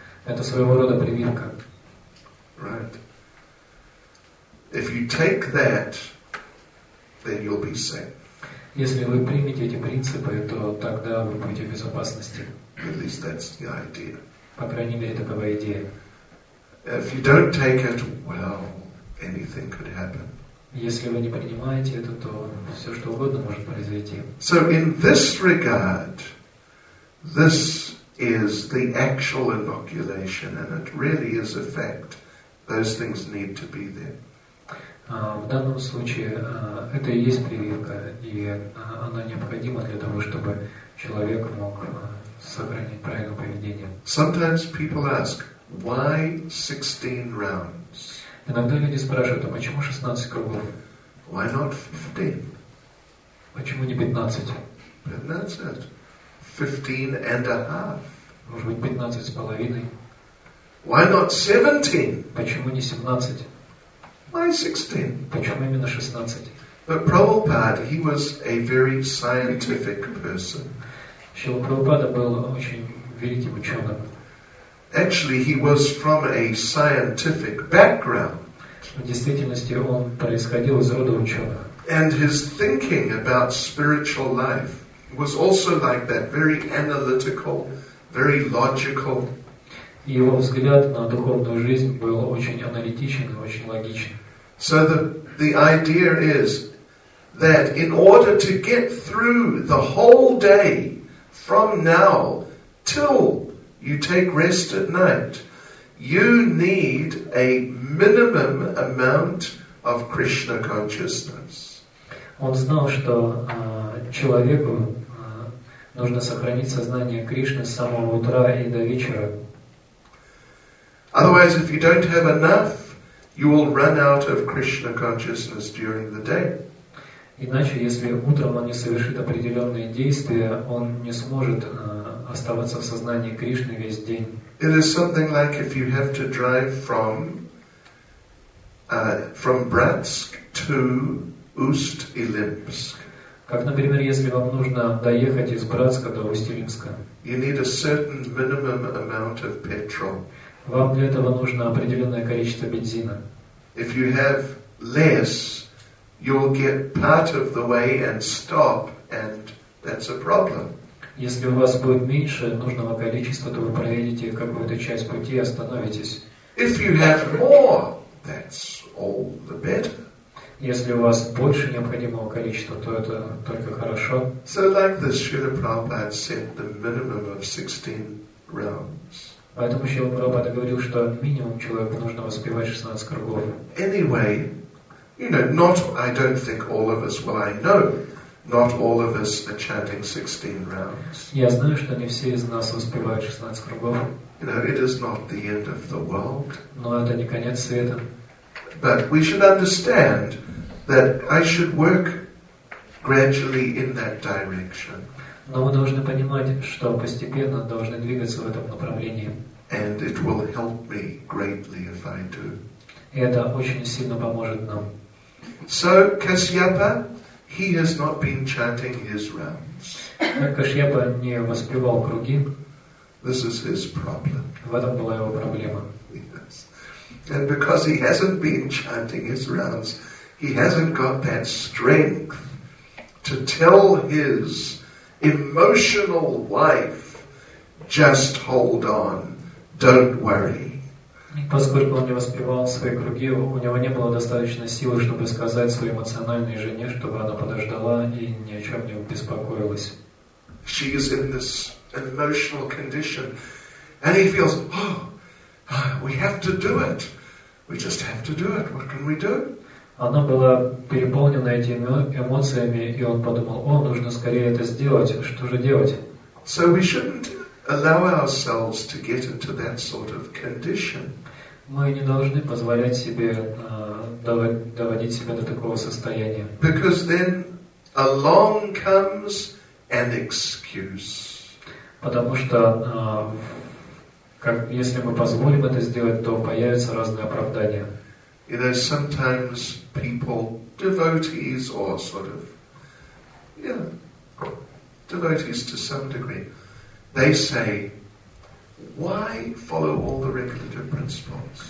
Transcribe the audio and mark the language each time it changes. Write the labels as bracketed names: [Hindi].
[Russian] Это своего рода прививка. [English] Right. If you take that, then you'll be safe. [Russian] Если вы примете эти принципы, то тогда вы будете в безопасности. [English] At least that's the idea. [Russian] По крайней мере, такова идея. [English] If you don't take it, well, anything could happen. [Russian] Если вы не принимаете это, то все что угодно может произойти. [English] So in this regard, this is the actual inoculation, and it really is a fact. Those things need to be there. [Russian] В данном случае это и есть прививка, и она необходима для того, чтобы человек мог сохранить правильное поведение. [English] Sometimes people ask, why 16 rounds? [Russian] Иногда люди спрашивают, а почему 16 кругов? [English] Why not 15? [Russian] Почему не 15? [English] And that's it. 15.5. [Russian] Может быть, 15.5? [English] Why not 17? [Russian] Почему не 17? [English] Why 16? [Russian] Почему именно 16? [English] But Prabhupada, he was a very scientific person. [Russian] Шрила Прабхупада был очень великим ученым. [English] Actually, he was from a scientific background. [Russian] В действительности он происходил из рода ученых. [English] And his thinking about spiritual life was also like that, very analytical, very logical. [Russian] Его взгляд на духовную жизнь был очень аналитичен и очень логичен. [English] So the idea is that in order to get through the whole day from now till you take rest at night, you need a minimum amount of Krishna consciousness. [Russian] Он знал, что человеку нужно сохранить сознание Кришны с самого утра и до вечера. [English] Otherwise, if you don't have enough, you will run out of Krishna consciousness during the day. [Russian] Иначе, если утром он не совершит определенные действия, он не сможет оставаться в сознании Кришны весь день. [English] It is something like if you have to drive from Bratsk to Ust-Ilimsk. [Russian] Как, например, если вам нужно доехать из Братска до Усть-Илимска. [English] You need a certain minimum amount of petrol. [Russian] Вам для этого нужно определенное количество бензина. [English] If you have less, you'll get part of the way and stop, and that's a problem. [Russian] Если у вас будет меньше нужного количества, то вы проедете какую-то часть пути и остановитесь. [English] If you have more, that's all the better. [Russian] Если у вас больше необходимого количества, то это только хорошо. [English] So like this, Srila Prabhupada set the minimum of 16 rounds. [Russian] Поэтому Шрила Прабхупада говорил, что минимум человеку нужно воспевать 16 кругов. [English] Anyway, you know, not, I don't think all of us, well, I know, not all of us are chanting 16 rounds. [Russian] Я знаю, что не все из нас воспевают 16 кругов. [English] You know, it is not the end of the world. [Russian] Но это не конец света. [English] But we should understand that I should work gradually in that direction. [Russian] Но мы должны понимать, что постепенно должны двигаться в этом направлении. [English] And it will help me greatly if I do. [Russian] И это очень сильно поможет нам. [English] So Kashyapa, he has not been chanting his rounds. [Russian] Кашьяпа не воспевал круги. [English] This is his problem. [Russian] В этом была его проблема. [English] Yes. And because he hasn't been chanting his rounds, he hasn't got that strength to tell his emotional wife, just hold on, don't worry. [Russian] Поскольку он не воспевал свои круги, у него не было достаточно силы, чтобы сказать своей эмоциональной жене, чтобы она подождала и ни о чем не беспокоилась. [English] She is in this emotional condition, and he feels, oh, we have to do it. We just have to do it. What can we do? [Russian] Она была переполнена этими эмоциями, и он подумал, о, нужно скорее это сделать, что же делать? [English] So we shouldn't allow ourselves to get into that sort of condition. [Russian] Мы не должны позволять себе доводить себя до такого состояния. [English] Because then along comes an excuse. [Russian] Потому что если мы позволим это сделать, то появятся разные оправдания. [English] You know, sometimes people, devotees or sort of, you know, devotees to some degree, they say, why follow all the regulative principles?